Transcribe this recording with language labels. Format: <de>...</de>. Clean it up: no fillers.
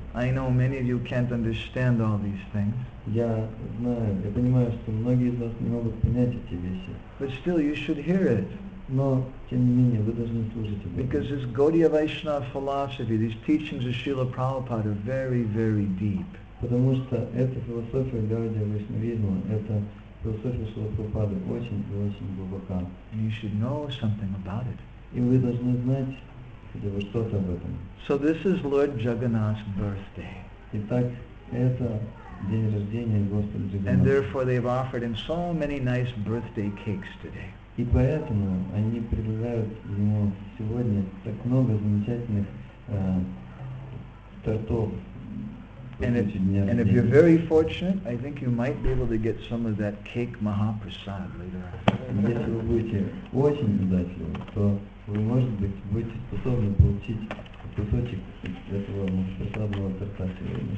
<en>I know many of you can't understand all these things.</en> <ru>Я знаю, я понимаю, что многие из вас не могут понять эти вещи.</ru> <en>But still, you should hear it.</en> <ru>Но тем не менее, вы должны слушать это.</ru> <en>Because this Gaudiya Vaishnava philosophy, these teachings of Srila Prabhupada are very, very deep.</en> <ru>Потому что эта философия Гаудия Вайшнавизма, это философия Шрила Прабхупады очень и очень глубока.</ru> <en>And you should know something about it.</en> <ru>И вы должны знать хотя бы что-то об этом.</ru> <en>So this is Lord Jagannath's birthday.</en> <ru>Итак, это день рождения Господа Джагнатха.</ru> <en>And therefore they've offered him so many nice birthday cakes today.</en> <ru>И поэтому они предлагают ему сегодня так много замечательных тортов.</ru> <en>And if you're very fortunate, I think you might be able to get some of that cake Mahaprasad later on.</en> <ru>Если вы будете очень удачливы, то вы, может быть, будете способны получить кусочек этого Mahaprasadного торта сегодня.</ru>